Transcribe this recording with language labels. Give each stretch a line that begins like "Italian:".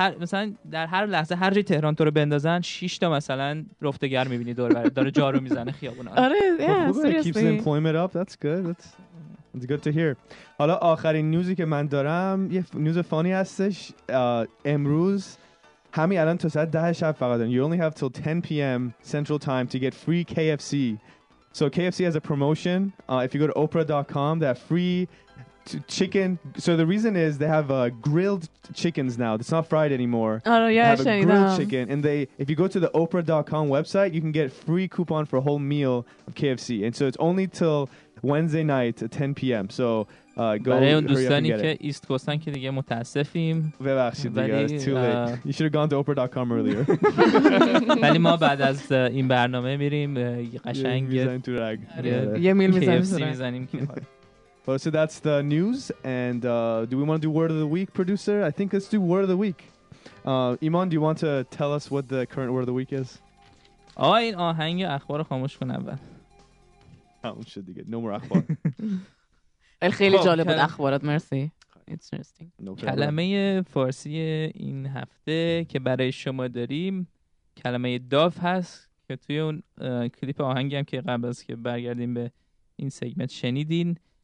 Persian: مثلا در هر لحظه هر جای تهران تو رو بندازن 6 تا مثلا رفته گر میبینی دور برد داره جارو میزنه خیابونا. آره
English: keeps employment up. That's good to hear.
Persian: حالا آخرین نیوزی که من دارم یه نیوز فانی هستش. امروز همین الان تو ساعت 10 شب فقط دارن.
English: You only have till 10 p.m. Central Time to get free KFC. So KFC has a promotion. If you go to oprah.com, that free chicken. So the reason is they have grilled chickens now. It's not fried anymore. Oh, yeah. They have actually, a grilled chicken. And they, if you go to the Oprah.com website, you can get free coupon for a whole meal of KFC. And so it's only till Wednesday night at 10 p.m. So go
Persian: برای اون دوستانی که ایست کوستن که دیگه متاسفیم ببخشید دیگه
English: it's too late you should have gone to oprah.com earlier
Persian: ولی ما بعد از این برنامه میریم قشنگ یه میل میزنیم
English: well so that's the news and do we want to do word of the week producer I think let's do word of the week Iman do you want to tell us what the current word of the week is
Persian: آه این آهنگ اخبار خاموش کن اول خاموش شد دیگه
English: no more
Persian: اخبار خیلی جالب بود اخبارات مرسی
English: It's interesting.
Persian: کلمه فارسی این هفته که برای شما داریم کلمه داف هست که توی اون کلیپ آهنگی هم که قبل از که برگردیم به این سگمنت شنیدین